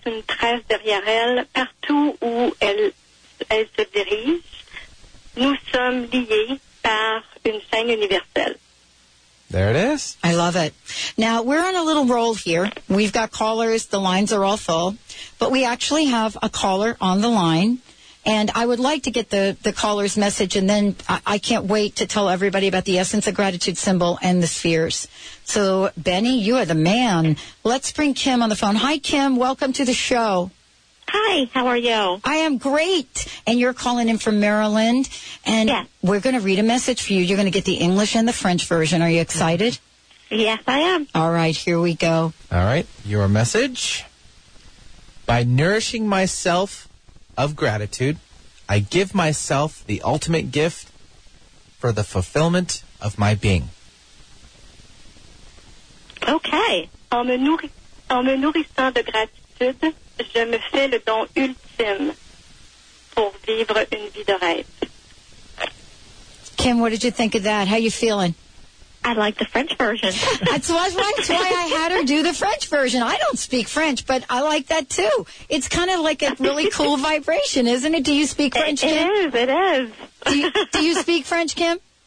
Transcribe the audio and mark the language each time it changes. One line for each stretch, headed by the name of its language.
French: une trace derrière elle partout où elle se dirige. Nous sommes liés par une chaîne universelle.
English: There it is. I love it. Now, we're on a little roll here. We've got callers. The lines are all full. But we actually have a caller on the line. And I would like to get the caller's message, and then I can't wait to tell everybody about the essence of gratitude symbol and the spheres. So, Benny, you are the man. Let's bring Kim on the phone. Hi, Kim. Welcome to the show. Hi. How are you? I am great. And you're calling in from Maryland. And yes. We're going to read a message for you. You're going to get the English and the French version. Are you excited? Yes, I am. All right. Here we go. All right. Your message. By nourishing myself of gratitude, I give myself the ultimate gift for the fulfillment of my being. Okay.
French: En me nourrissant de gratitude, je me fais le don ultime pour vivre une vie de rêve.
English: Kim, what did you think of that? How you feeling? I like the French version. That's why I had her do the French version. I don't speak French, but I like that too. It's kind of like a really cool vibration, isn't it? Do you speak French, Kim? It is. Do you speak French, Kim?